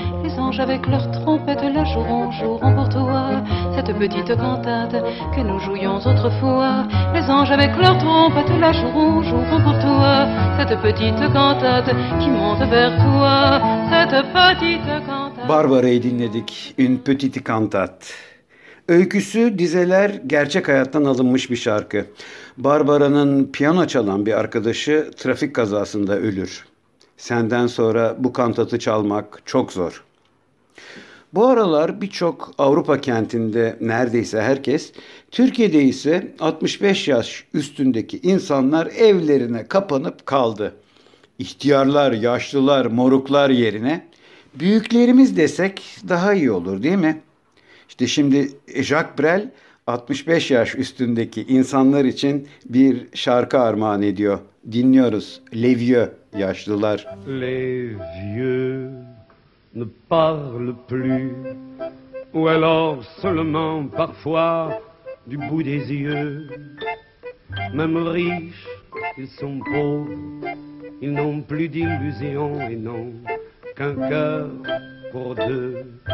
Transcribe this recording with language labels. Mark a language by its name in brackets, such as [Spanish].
[French] Les anges avec leurs trompettes la joueront, joueront pour toi. Cette petite cantate que nous jouions autrefois. Les anges avec leurs trompettes la joueront, joueront pour toi. Cette petite cantate qui monte vers toi. Cette petite cantate. [Turkish] Barbara'yı dinledik. [French] Une petite cantate. [Turkish] Öyküsü, dizeler gerçek hayattan alınmış bir şarkı. Barbara'nın piyano çalan bir arkadaşı trafik kazasında ölür. Senden sonra bu kantatı çalmak çok zor. Bu aralar birçok Avrupa kentinde neredeyse herkes, Türkiye'de ise 65 yaş üstündeki insanlar evlerine kapanıp kaldı. İhtiyarlar, yaşlılar, moruklar yerine büyüklerimiz desek daha iyi olur, değil mi? İşte şimdi Jacques Brel 65 yaş üstündeki insanlar için bir şarkı armağan ediyor. Dinliyoruz. [French] Les vieux, [Turkish] yaşlılar. [French] Les vieux ne parlent plus. Ou alors seulement parfois du bout des yeux. Même riches, ils sont pauvres. Ils n'ont plus d'illusions et n'ont qu'un cœur pour deux.